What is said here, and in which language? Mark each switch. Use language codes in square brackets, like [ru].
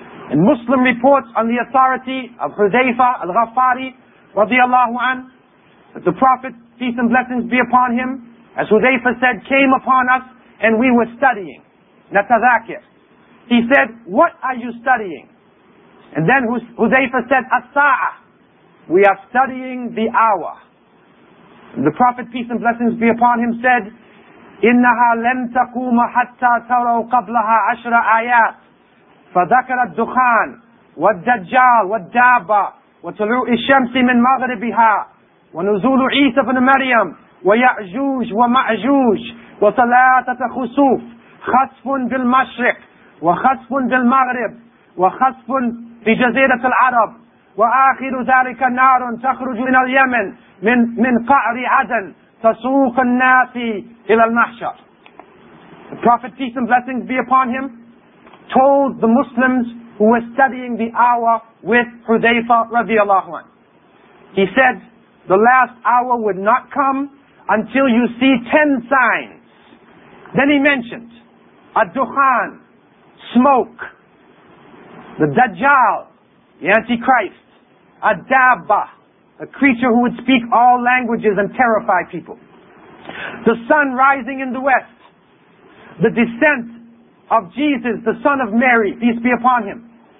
[en] And Muslim reports on the authority of Hudhayfa al-Ghaffari radiyallahu an, that the Prophet, peace and blessings be upon him, as Hudhayfa said, came upon us and we were studying. Natadhakir. He said, what are you studying? And then Hudhayfa said, as-sa'a. We are studying the hour. The Prophet, peace and blessings be upon him, said, [ar] إِنَّهَا لَمْ تَقُومَ حَتَّى تَرَوْ قَبْلَهَا عَشْرَ آيَاتٍ فَذَكَرَ الدُّخَانِ وَالدَّجَّالِ وَالدَّابَّةِ وَتُلُوءِ الشَّمْسِ مِنْ مَغْرِبِهَا وَنُزُولُ عِيسَى بْنِ مَرْيَمَ وَيَعْجُوجُ وَمَعْجُوجُ وَثَلَاثَةَ خُسُوفٍ خَسْفٌ بِالْمَشْرِقِ وَخَسْفٌ بِالْمَغْرِبِ وَخَسْفٌ بِجَزِيرَةِ الْعَرَبِ وَآخِرُ ذَلِكَ نَارٌ تَخْرُجُ مِنَ الْيَمَنِ من قعر عدن تسوق الناس إلى المحشر. [en] The Prophet, peace and blessings be upon him, told the Muslims who was studying the hour with Hudhayfa radiallahu anhu. He said, the last hour would not come until you see 10 signs. Then he mentioned ad-dukhan, smoke, the Dajjal, the Antichrist, ad-dabba, a creature who would speak all languages and terrify people, the sun rising in the west, the descent of Jesus, the son of Mary, peace be upon him,